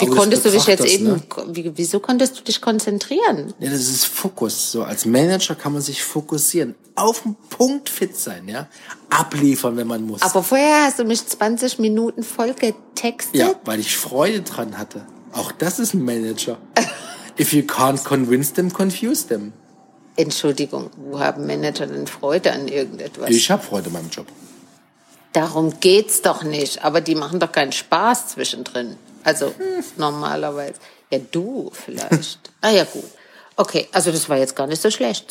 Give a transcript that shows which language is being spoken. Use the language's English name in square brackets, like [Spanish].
[German] wie konntest du dich jetzt eben... Wieso konntest du dich konzentrieren? Ja, das ist Fokus. So als Manager kann man sich fokussieren. Auf den Punkt fit sein, ja? Abliefern, wenn man muss. Aber vorher hast du mich 20 Minuten voll getextet. Ja, weil ich Freude dran hatte. Auch das ist ein Manager. [English] If you can't convince them, confuse them. [German] Entschuldigung, wo haben Manager denn Freude an irgendetwas? Ich habe Freude an meinem Job. Darum geht's doch nicht. Aber die machen doch keinen Spaß zwischendrin. Also normalerweise. Ja, du vielleicht. Ah ja, gut. Okay, also das war jetzt gar nicht so schlecht.